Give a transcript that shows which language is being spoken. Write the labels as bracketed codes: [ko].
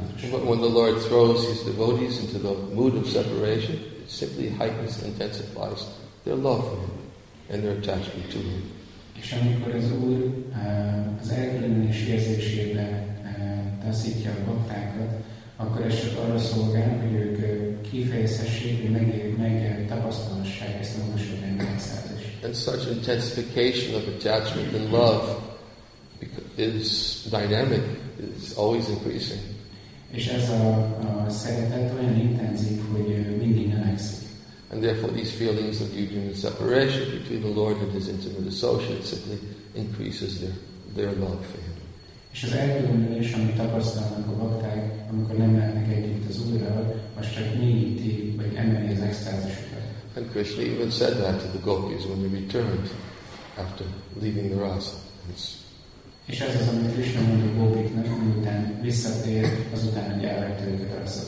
[en] But when the Lord throws his devotees into the mood of separation, it simply heightens and intensifies their love for him and their attachment to him. [hu] És amikor az Úr az elkülönülés érzésébe taszítja a baktákat, akkor ez csak arra szolgál, hogy ők kifejezhessék, meg tapasztalhassák ezt a magasabb rendszert is. [en] And such intensification of attachment and love is dynamic, is always increasing. [hu] És ez a szeretet olyan intenzív, hogy mindig növekszik. [en] And therefore these feelings of union and separation between the Lord and his intimate associates simply increases their love for him. [hu] És az elkülönülés, amit tapasztalnak a bakták, amikor nem lehetnek együtt az Úrral, az csak mélyíti, vagy emeli az extázisukat. [en] And Krishna even said that to the gopis when they returned after leaving the rasa. It's... [hu] És ez az, amit Krishna mond a gopiknak, miután visszatér, azután, hogy elvett őket a rasa.